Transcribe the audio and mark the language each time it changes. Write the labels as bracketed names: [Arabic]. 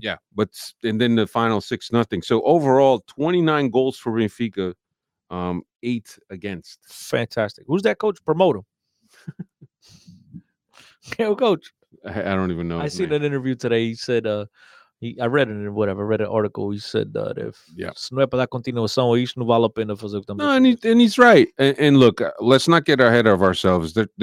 [English] Yeah, but and then the final 6-0. So overall, 29 goals for Benfica, 8 against. Fantastic. Who's that coach? Promote him. Hey, coach. I don't even know. I seen an interview today. He said, I read an article. He said that if [Portuguese] se não é para dar continuação, isso não vale a pena fazer o que estamos fazendo. [English] And he's right. And look, let's not get ahead of ourselves.